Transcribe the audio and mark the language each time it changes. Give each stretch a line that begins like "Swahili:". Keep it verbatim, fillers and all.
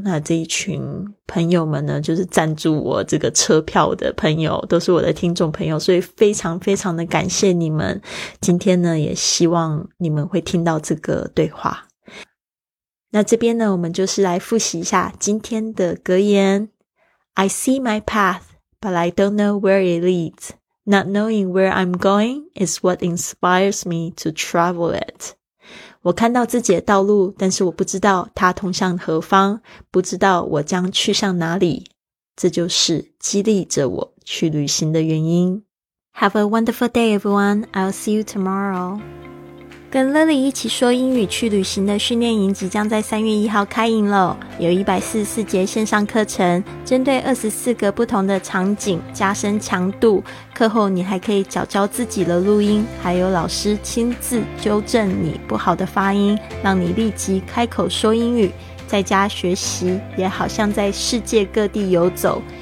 Chinese: 那这一群朋友们呢，就是赞助我这个车票的朋友，都是我的听众朋友，所以非常非常的感谢你们。今天呢，也希望你们会听到这个对话。那这边呢，我们就是来复习一下今天的格言。
English: I see my path. But I don't know where it leads. Not knowing where I'm going is what inspires me to travel it.
Chinese: 我看到自己的道路，但是我不知道它通向何方，不知道我将去向哪里。这就是激励着我去旅行的原因。
English: Have a wonderful day, everyone. I'll see you tomorrow.
Chinese: 跟 Lily 一起说英语去旅行的训练营即将在三月一号开营咯，有一百四十四节线上课程，针对二十四个不同的场景加深强度，课后你还可以找教自己的录音，还有老师亲自纠正你不好的发音，让你立即开口说英语，在家学习也好像在世界各地游走。